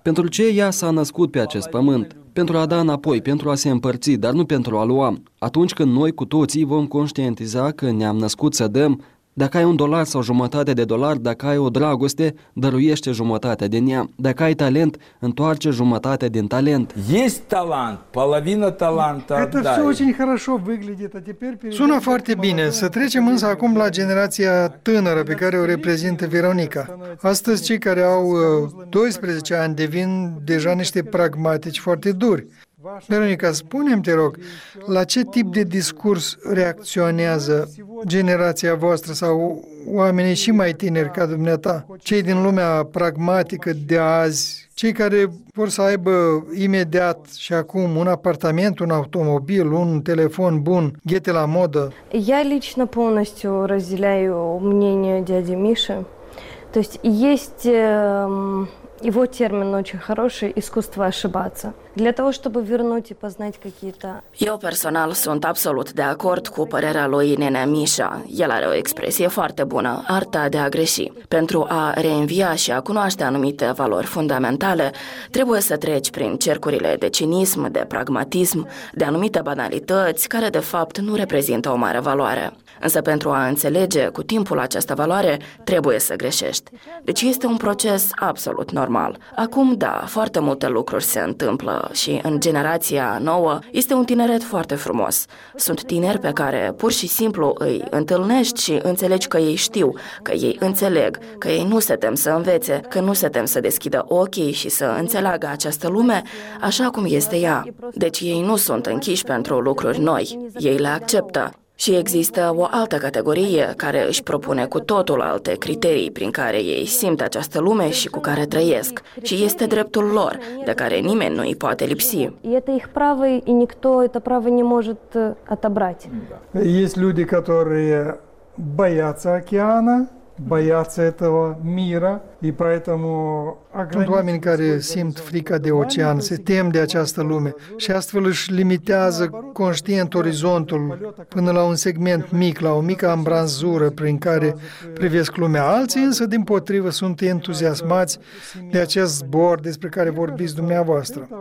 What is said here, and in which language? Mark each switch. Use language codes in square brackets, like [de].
[ro] Pentru ce ea s-a născut pe acest pământ? Pentru a da înapoi, pentru a se împărți, dar nu pentru a lua. Atunci când noi cu toții vom conștientiza că ne-am născut să dăm, dacă ai un dolar sau jumătate de dolar, dacă ai o dragoste, dăruiește jumătatea din ea. Dacă ai talent, întoarce jumătatea din talent. [ru] Есть талант, половина таланта отдай. Это всё очень хорошо выглядит, а теперь перейдём. [ro] Сунь foarte bine. Să trecem însă acum la generația tânără pe care o reprezintă Veronica. Astăzi cei care au 12 ani devin deja niște pragmatici foarte duri. Veronica, spune-mi, te rog, la ce tip de discurs reacționează generația voastră sau oamenii și mai tineri ca dumneata, cei din lumea pragmatică de azi, cei care vor să aibă imediat și acum un apartament, un automobil, un telefon bun, ghete la modă? [ru] Я лично полностью разделяю мнение дяди Миши. То есть есть Его термин очень хороший – искусство ошибаться. Для того, чтобы вернуть и познать какие-то... [ro] Eu personal sunt absolut de acord cu părerea lui Nenea Mișa. El are o expresie foarte bună, arta de a greși. Pentru a reînvia și a cunoaște anumite valori fundamentale, trebuie să treci prin cercurile de cinism, de pragmatism, de anumite banalități care, de fapt, nu reprezintă o mare valoare. Însă pentru a înțelege cu timpul această valoare, trebuie să greșești. Deci este un proces absolut normal. Acum, da, foarte multe lucruri se întâmplă și în generația nouă este un tineret foarte frumos. Sunt tineri pe care pur și simplu îi întâlnești și înțelegi că ei știu, că ei înțeleg, că ei nu se tem să învețe, că nu se tem să deschidă ochii și să înțeleagă această lume așa cum este ea. Deci ei nu sunt închiși pentru lucruri noi, ei le acceptă. Și există o altă categorie care își propune cu totul alte criterii prin care ei simt această lume și cu care trăiesc. Și este dreptul lor, de care nimeni nu îi poate lipsi. Este [ru] их право и никто это право не может отобрать. Есть люди, которые боятся океана, боятся этого мира, и поэтому [ro] sunt oameni care simt frica de ocean, se tem de această lume și astfel își limitează conștient orizontul până la un segment mic, la o mică ambranzură prin care privesc lumea. Alții însă, din potrivă, sunt entuziasmați de acest zbor despre care vorbiți dumneavoastră.